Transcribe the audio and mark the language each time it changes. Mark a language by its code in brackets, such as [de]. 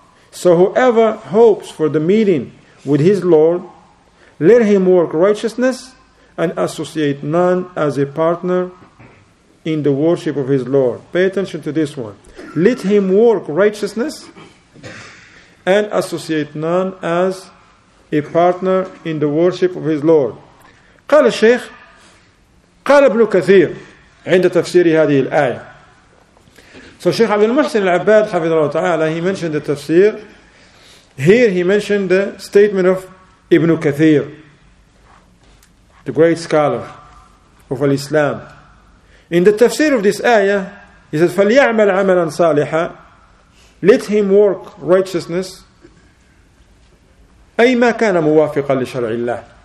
[en] So whoever hopes for the meeting with his Lord, let him work righteousness and associate none as a partner in the worship of his Lord. Pay attention to this one. Let him work righteousness and associate none as a partner in the worship of his Lord. [ar] قال الشيخ قال ابن كثير عند تفسير هذه الآية. [en] So Sheikh Abdul Muhsin al-Abbad, [ar] حفظه تعالى, [en] he mentioned the tafsir. Here he mentioned the statement of Ibn Kathir, the great scholar of Al-Islam. In the tafsir of this ayah, he says, [ar] فَلْيَعْمَلْ عَمَلًا صَالِحًا, [en] let him work righteousness, [ar] أي ما كان مُوَافِقًا لِشَرْعِ اللَّهِ.